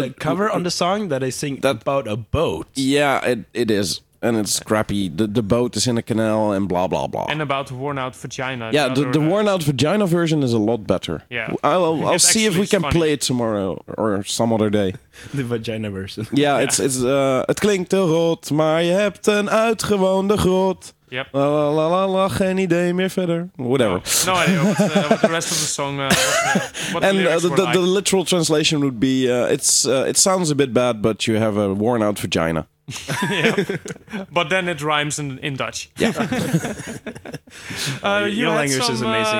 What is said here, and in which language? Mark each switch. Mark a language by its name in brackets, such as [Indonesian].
[English] made a cover on the song that they sing that, about a boat. Yeah, it is. And it's crappy. The boat is in a canal and blah, blah, blah. And about worn-out vagina. Yeah, the worn-out vagina version is a lot better. Yeah. I'll see if we can play it tomorrow or some other day. The vagina version. Yeah, it's [Dutch] het klinkt te rot, maar je hebt een uitgewoonde grot. [English] Yep. La la la la la, [Dutch] geen idee meer verder. [English] Whatever. No idea what the rest of the song was. And the literal translation would be, it sounds a bit bad, but you have a worn-out vagina. Yeah, but then it rhymes in Dutch. Yeah, your language is amazing.